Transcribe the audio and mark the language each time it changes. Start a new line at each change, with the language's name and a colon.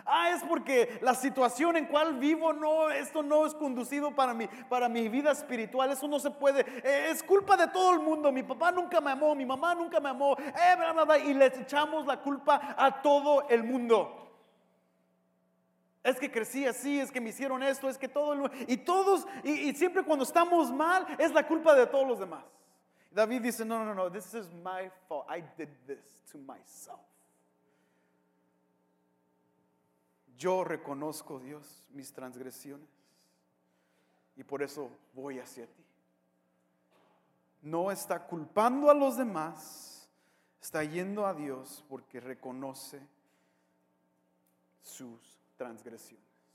Spanish: Es porque la situación en cual vivo, no, esto no es conducido para mi vida espiritual, eso no se puede, es culpa de todo el mundo, mi papá nunca me amó, mi mamá nunca me amó, bla, bla, bla, y le echamos la culpa a todo el mundo. Es que crecí así, es que me hicieron esto, es que todo el mundo, y siempre cuando estamos mal, es la culpa de todos los demás. David dice, no,
English: this is my fault, I did this to myself.
Spanish: Yo reconozco, Dios, mis transgresiones y por eso voy hacia ti. No está culpando a los demás, está yendo a Dios porque reconoce sus transgresiones.